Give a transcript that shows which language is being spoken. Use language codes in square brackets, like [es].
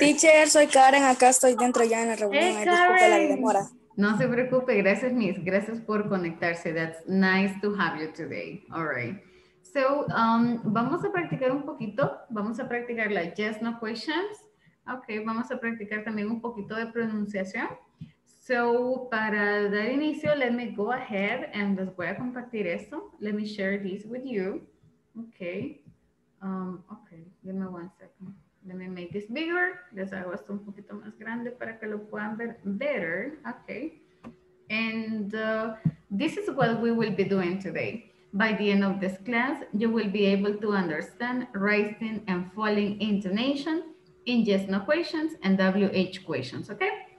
[es] Teacher, soy Karen, acá estoy dentro ya en la reunión. [en] Hey, Karen. [es] Disculpe la demora. No se preocupe, gracias, Miss. Gracias por conectarse. [en] That's nice to have you today, all right? [es] So, vamos a practicar un poquito. Vamos a practicar la yes, no questions. Ok, vamos a practicar también un poquito de pronunciación. So, para dar inicio, [en] let me go ahead and [es] les voy a compartir esto. [en] Let me share this with you. Ok. Ok, give me one second. Let me make this bigger. [es] Les hago esto un poquito más grande para que lo puedan ver better. [en] Ok. And this is what we will be doing today. By the end of this class, you will be able to understand rising and falling intonation in yes, no questions and WH questions, okay?